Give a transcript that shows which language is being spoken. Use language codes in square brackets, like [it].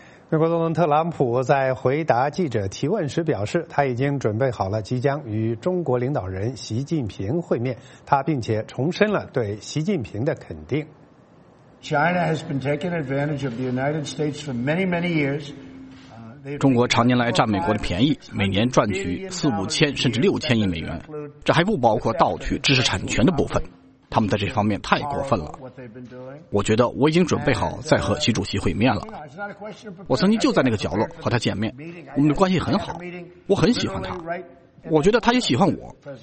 [zh] 美国总统特朗普在回答记者提问时表示，他已经准备好了即将与中国领导人习近平会面，他并且重申了对习近平的肯定。 [en] China has been taking advantage of the United States for many, many years. [zh] 中国常年来占美国的便宜，每年赚取4000-6000亿美元，这还不包括盗取知识产权的部分。他们在这方面太过分了。我觉得我已经准备好再和习主席会面了。我曾经就在那个角落和他见面，我们的关系很好，我很喜欢他，我觉得他也喜欢我。